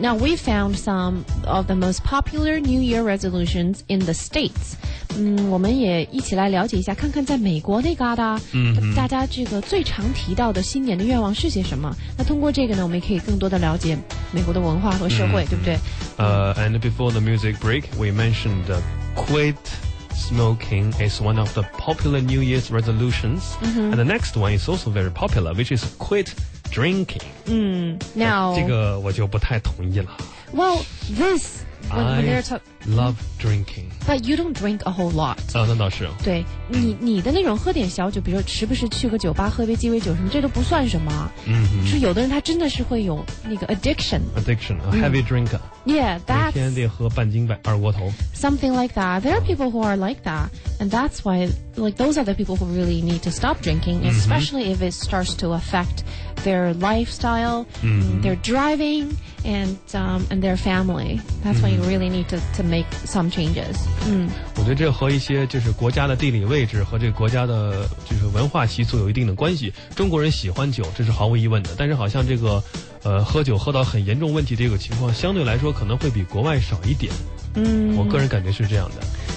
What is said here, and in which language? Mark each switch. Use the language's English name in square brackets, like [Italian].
[English] Now, we found some of the most popular New Year resolutions in the States. [Chinese] 我们也一起来了解一下，看看在美国那嘎达，大家这个最常提到的新年的愿望是些什么。那通过这个呢，我们也可以更多的了解美国的文化和社会，对不对？ [English] And before the music break, we mentioned quit smoking is one of the popular New Year's resolutions. And the next one is also very popular, which is quit drinking. Now, [Chinese] 这个我就不太同意了。 [English] Well, this, when they're love drinking. But you don't drink a whole lot. [Chinese] 那倒是。对，你的那种喝点小酒，比如说时不时去个酒吧喝杯鸡尾酒什么，这都不算什么。是有的人他真的是会有那个 addiction. [English] Addiction, a heavy drinker. Yeah, that's... [Chinese] 每天得喝半斤半二锅头。 [English] Something like that. There are people who are like that. And that's why, like, those are the people who really need to stop drinking, especially if it starts to affect their lifestyle, their driving, and their family. That's when you really need to make some changes. [Chinese] 我觉得这和一些就是国家的地理位置和这个国家的就是文化习俗有一定的关系。中国人喜欢酒，这是毫无疑问的。但是好像这个，喝酒喝到很严重问题这个情况，相对来说可能会比国外少一点。我个人感觉是这样的。